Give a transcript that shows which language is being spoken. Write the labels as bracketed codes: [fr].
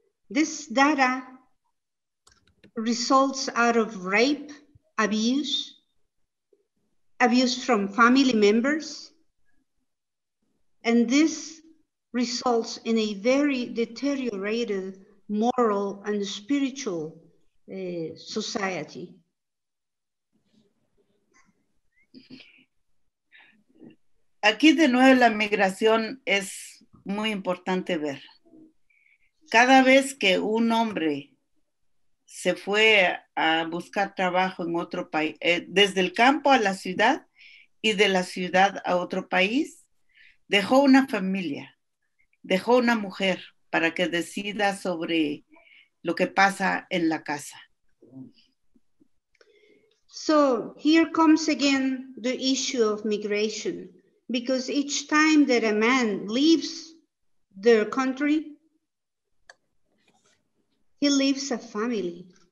[en] This data results out of rape, abuse from family members, and this results in a very deteriorated moral and spiritual society. [es] Aquí de nuevo la migración es muy importante ver. Cada vez que un hombre se fue a buscar trabajo en otro país, desde el campo a la ciudad y de la ciudad a otro país, dejó una familia, dejó una mujer para que decida sobre lo que pasa en la casa. [en] So here comes again the issue of migration. Because each time that a man leaves their country, he leaves a family.